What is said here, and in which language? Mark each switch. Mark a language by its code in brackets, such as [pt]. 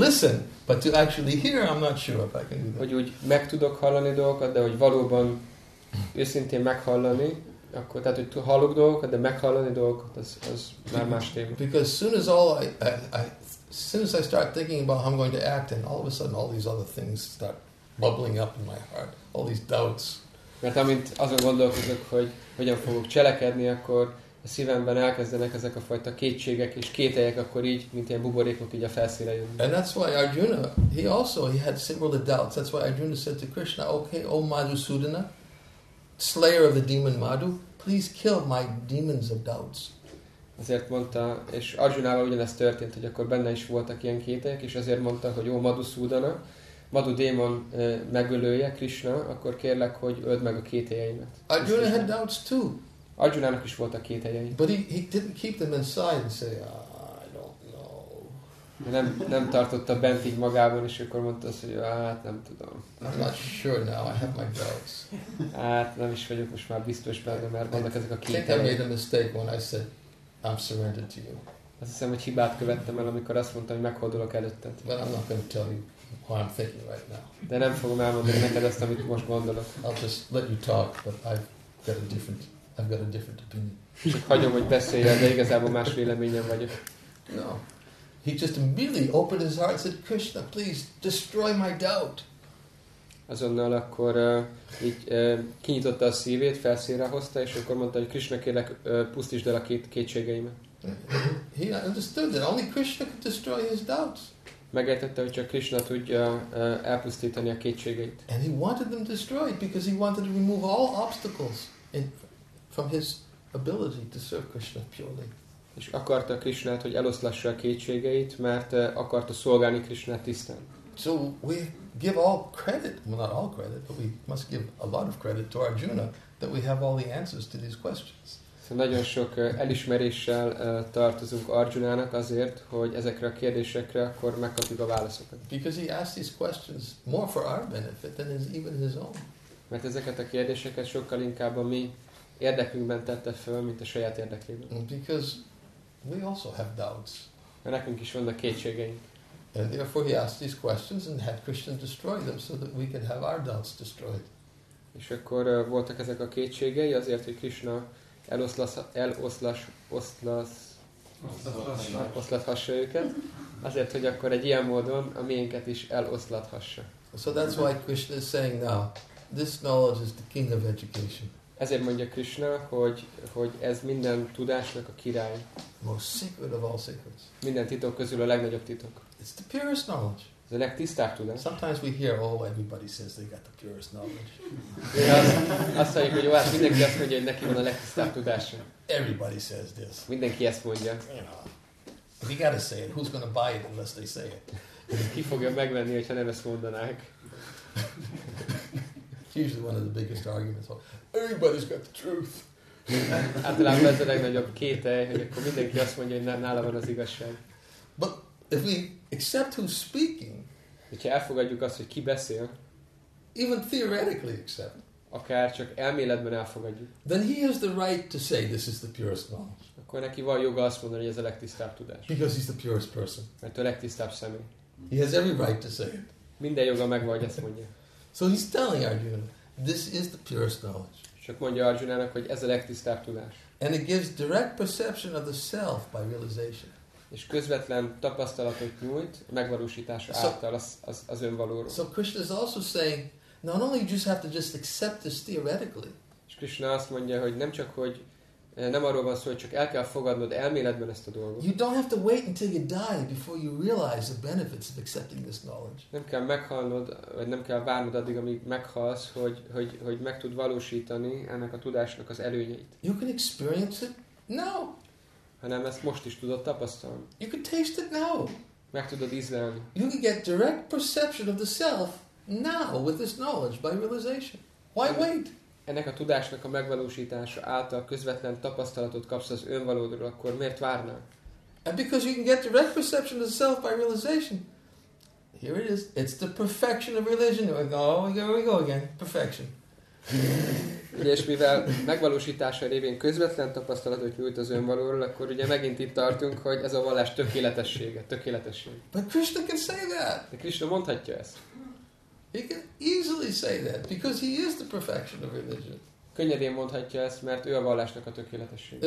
[en] listen, but to actually hear, I'm not sure if I can do that. [hu] Hogy úgy meg tudok hallani dolgokat, de hogy valóban őszintén meghallani, akkor tehát hogy hallok dolgokat, de meghallani dolgokat, az már más téma. [en] Because as soon as I start thinking about how I'm going to act, and all of a sudden all these other things start bubbling up in my heart, all these doubts. [hu] Mert amint azon gondolkozok, hogy hogyan fogok cselekedni, akkor a szívemben elkezdenek ezek a fajta kétségek és kételyek, akkor így, mint ilyen buborékok, így a felszínre jönnek. [en] And that's why Arjuna, he had similar doubts. That's why Arjuna said to Krishna, okay, O Madhusudana, slayer of the demon Madhu, please kill my demons of doubts. [hu] Ezért mondta, és Arjunával ugyanezt történt, hogy akkor benne is voltak ilyen kételyek, és azért mondta, hogy O Madhusudana, Madhu démon megölője, Krishna, akkor kérlek, hogy öld meg a kételyeimet. [en] Arjuna had doubts too. [hu] Arjunának is voltak kételjei. [en] But he didn't keep them inside and say, I don't know. [hu] Nem tartotta bent így magában, és akkor mondta azt, hogy hát nem tudom. [en] I'm not sure now, I have my doubts. [hu] Hát nem is vagyok most már biztos benne, mert vannak ezek a kételjei. [en] I think I made a mistake when I said, I'm surrendered to you. [hu] Azt hiszem, hogy hibát követtem el, amikor azt mondtam, hogy meghódolok előtted. [en] But I'm not going to tell you what I'm thinking right now. [hu] De nem fogom elmondani neked azt, amit most gondolok. [en] I'll just let you talk, but I've got a different opinion. [hu] Csak hagyom, hogy beszéljen, de igazából más véleményem vagyok. [en] No. He just immediately opened his heart and said, Krishna, please destroy my doubt. [hu] Azonnal akkor így kinyitotta a szívét, felszínre hozta, és akkor mondta, hogy Krishna, kérlek, pusztítsd el a kétségeimet. [en] He understood that only Krishna could destroy his doubts. [hu] Megértette, hogy csak Krishna tudja elpusztítani a kétségeit. [en] And he wanted them destroyed because he wanted to remove all obstacles from his ability to serve Krishna purely. [hu] És akarta Krishnát, hogy eloszlassa a kétségeit, mert akarta szolgálni Krishnát tisztán. [en] So we give all credit, well not all credit, but we must give a lot of credit to Arjuna that we have all the answers to these questions. [hu] Szóval nagyon sok elismeréssel tartozunk Arjunának azért, hogy ezekre a kérdésekre akkor megkapjuk a válaszokat. [en] Because he asked these questions more for our benefit than his, even his own. [hu] Mert ezeket a kérdéseket sokkal inkább a mi érdekünkben tette fel, mint a saját érdekében. [en] Because we also have doubts. [hu] Mert nekünk is vannak kétségeink. [en] And therefore he asked these questions and had Krishna destroy them so that we could have our doubts destroyed. [hu] És akkor voltak ezek a kétségei azért, hogy Krishna eloszlathassa őket, azért, hogy akkor egy ilyen módon a miénket is eloszlathassa. [en] So that's why Krishna is saying now, this knowledge is the king of education. [hu] Ezért mondja Krishna, hogy ez minden tudásnak a király. [en] Most secret of all secrets. [hu] Minden titok közül a legnagyobb titok. [en] It's the purest knowledge. [hu] Ez a legtisztább tudás. [en] Sometimes we hear, oh, everybody says they got the purest knowledge. [hu] Azt halljuk, hogy jó, hát mindenki azt mondja, hogy neki van a legtisztább tudása. [en] Everybody says this. [hu] Mindenki ezt mondja. [en] You know, we gotta say it. Who's gonna buy it unless they say it? [hu] Ki fogja megvenni, hogyha nem ezt mondanák? [en] It's usually one of the biggest arguments. Everybody's got the truth. [hu] Általában ez a legnagyobb kétely, hogy akkor mindenki azt mondja, hogy nála van az igazság. [en] But if we accept who's speaking, [hu] hogyha elfogadjuk azt, hogy ki beszél, [en] even theoretically accept, [hu] akár csak elméletben elfogadjuk, [en] then he has the right to say this is the purest knowledge. [hu] Akkor neki van joga azt mondani, hogy ez a legtisztább tudás. [en] Because he's the purest person. [hu] Mert a legtisztább személy. [en] He has every right to say it. [hu] Minden joga megvan, hogy ezt mondja. [en] So he's telling Arjuna, this is the purest knowledge. [hu] Csak mondja Arjunának, hogy ez a legtisztább tudás. [en] And it gives direct perception of the self by realization. [hu] És közvetlen tapasztalatot nyújt megvalósítása által az önvalóról. [en] So Krishna is also saying, not only you just have to just accept this theoretically. [hu] És Krishna azt mondja, hogy nem arról van szó, hogy csak el kell fogadnod elméletben ezt a dolgot. [en] You don't have to wait until you die before you realize the benefits of accepting this knowledge. [hu] Nem kell meghalnod, vagy nem kell várnod addig, amíg meghalsz, hogy meg tud valósítani ennek a tudásnak az előnyeit. [en] You can experience it now. [hu] Hanem ezt most is tudod tapasztalni. [en] You can taste it now. [hu] Meg tudod ízlelni. [en] You can get direct perception of the self now with this knowledge by realization. Why wait? [hu] Ennek a tudásnak a megvalósítása által közvetlen tapasztalatot kapsz az önvalódról, akkor miért várnál? [en] And because you can get direct perception of the self by realization. Here it is. It's the perfection of religion. Here we go again. Perfection. [hu] Ugye, és mivel megvalósítása révén közvetlen tapasztalatot nyújt az önvalóról, akkor ugye megint itt tartunk, hogy ez a vallás tökéletessége. [en] But Krishna can say that. [hu] De Krishna mondhatja ezt. [en] He can easily say that because he is the perfection of religion. [hu] Könnyedén mondhatja ezt, mert ő a vallásnak a tökéletessége.